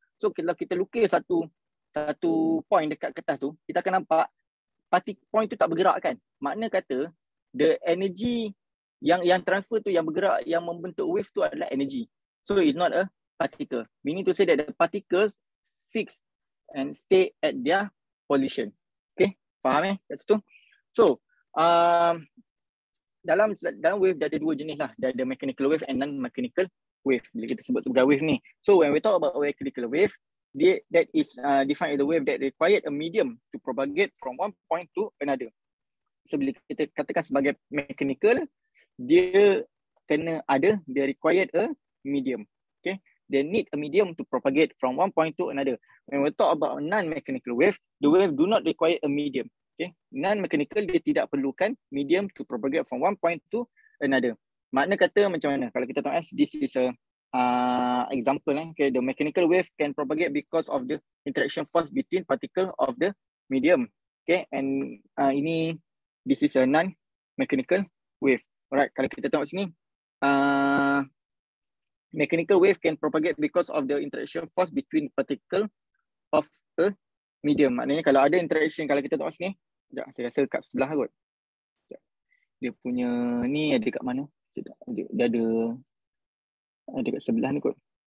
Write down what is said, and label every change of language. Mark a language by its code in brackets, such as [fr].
[ms] So kalau kita lukis satu point dekat kertas tu, kita akan nampak partik point tu tak bergerak kan. Makna kata the energy yang transfer tu, yang bergerak, yang membentuk wave tu adalah energy. [en] So it's not a particle. We need to say that the particles fix and stay at their position. [ms] Okay, faham kat situ? So dalam wave dia ada dua jenis lah. Dia ada mechanical wave and non-mechanical wave. Bila kita sebut sebagai wave ni, [en] so when we talk about mechanical wave, that is defined as a wave that required a medium to propagate from one point to another. [ms] So bila kita katakan sebagai mechanical, dia kena ada, dia [en] required a medium. Okay, they need a medium to propagate from one point to another. When we talk about non-mechanical wave, the wave do not require a medium. [ms] Okay, non-mechanical, dia tidak perlukan medium [en] to propagate from one point to another. [ms] Makna kata macam mana? Kalau kita tengok, [en] this is a example. Okay, the mechanical wave can propagate because of the interaction force between particle of the medium. Okay, and ini, this is a non-mechanical wave. Alright, [ms] kalau kita tengok sini, [en] mechanical wave can propagate because of the interaction force between particle of a medium. [ms] Maknanya kalau ada interaction, kalau kita tengok sini, sekejap, saya rasa kat sebelah kot. Sekejap. Dia punya ni ada kat mana? Sekejap. Dia ada dekat sebelah ni kot.